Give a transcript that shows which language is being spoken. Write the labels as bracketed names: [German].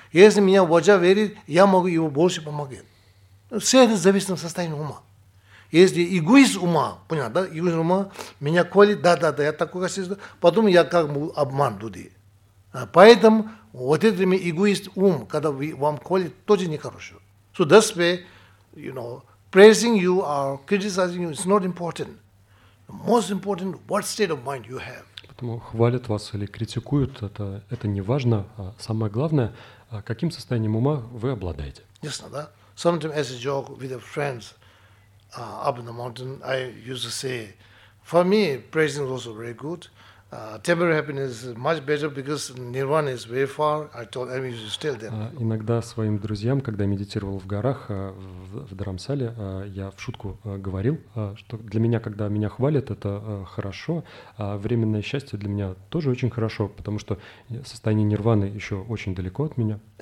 [Russian] Если меня уважают, верят, я могу его больше помогать. Все это зависит от состояния ума. Если эгоист ума, понятно, да, эгоист ума, меня колит, да, я такой качество, потом я как бы обман людей. Поэтому вот этот эгоист ум, когда вам колет, тоже нехорошо. [English] So that's why, praising you or criticizing you is not important. The most important, what state of mind you have. [Russian] Поэтому хвалят вас или критикуют, это не важно. Самое главное, А каким состоянием ума вы обладаете? Ясно, да? [English] Sometimes as a joke with a friend up in the mountain, I used to say, for me, present is also very good. Temporary happiness is much better because nirvana is very far. I told them you should stay there. [Russian] Иногда своим друзьям, когда я медитировал в горах в Дарамсале, я в шутку говорил, что для меня, когда меня хвалят, это хорошо, а временное счастье для меня тоже очень хорошо, потому что состояние нирваны еще очень далеко от меня.